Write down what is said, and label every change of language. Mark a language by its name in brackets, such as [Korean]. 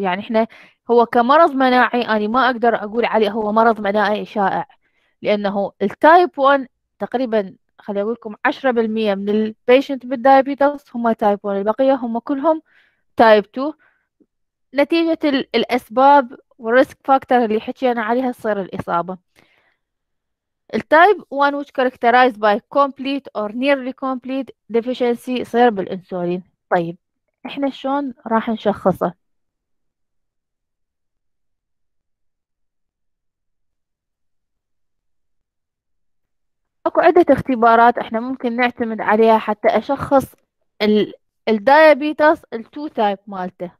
[Arabic] يعني احنا هو كمرض مناعي أنا ما أقدر أقول عليه هو مرض مناعي شائع، لأنه ال type 1 تقريبا خلي أقول لكم 10% من البيشنت بالدايابيتس هم تايب 1، البقية هم كلهم تايب 2 نتيجة الأسباب والريسك فاكتور اللي حكينا عليها تصير الإصابة. [English] التايب 1 which characterized by complete or nearly complete deficiency [Arabic] صير بالإنسولين. طيب إحنا شلون راح نشخصه؟ أكو عدة اختبارات احنا ممكن نعتمد عليها حتى أشخص الدايابيتس التو تايب مالته.